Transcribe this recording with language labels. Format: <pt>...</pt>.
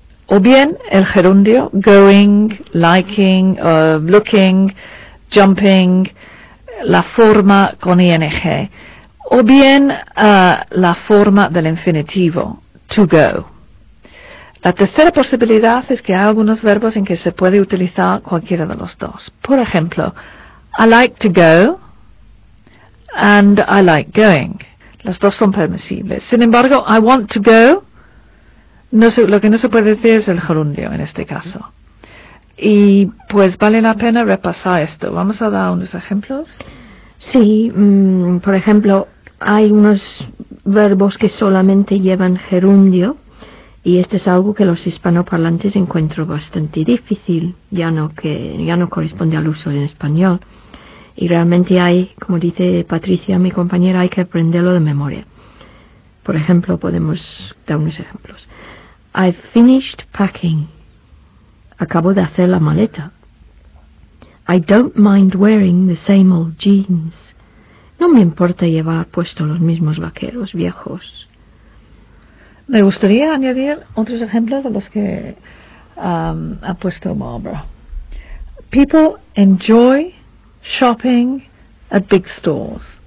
<es>O bien el gerundio, going, liking, looking, jumping, la forma con ing. O bien la forma del infinitivo, to go. La tercera posibilidad es que hay algunos verbos en que se puede utilizar cualquiera de los dos. Por ejemplo,</es> <en>I like to go and I like going.</en> <es>Los dos son permisibles. Sin embargo,</es> <en>I want to go,</en> <es>lo que no se puede decir es el gerundio en este caso. Y pues vale la pena repasar esto. ¿Vamos a dar unos ejemplos? Sí, por ejemplo, hay unos verbos que solamente llevan gerundio. Y esto es algo que los hispanoparlantes encuentro bastante difícil, ya no corresponde al uso en español. Y realmente hay, como dice Patricia, mi compañera, hay que aprenderlo de memoria. Por ejemplo, podemos dar unos ejemplos.</es> <en>I've finished packing.</en> <es>Acabo de hacer la maleta.</es> <en>I don't mind wearing the same old jeans.</en> <es>No me importa llevar puesto los mismos vaqueros viejos. Me gustaría añadir otros ejemplos a los que ha puesto Barbara.</es> <en>People enjoy shopping at big stores.</en>